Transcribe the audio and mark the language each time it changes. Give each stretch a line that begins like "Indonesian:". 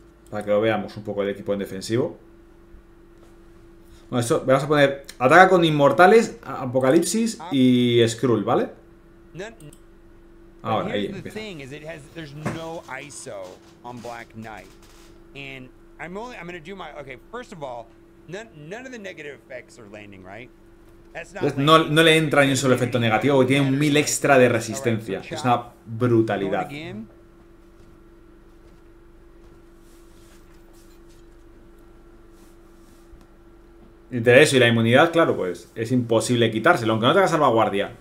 Spanish: Para que lo veamos un poco el equipo en defensivo. No, eso, vamos a poner ataca con inmortales, apocalipsis y Skrull, ¿vale? Ahora, ahí empieza.
English: There's no ISO on Black Knight. And I'm going to do my okay, first of all, none of the negative effects are landing, right?
Spanish: No le entra ni un solo efecto negativo, tiene 1000 extra de resistencia. Es una brutalidad. De eso y la inmunidad, claro, pues es imposible quitárselo, aunque no tenga salvaguardia.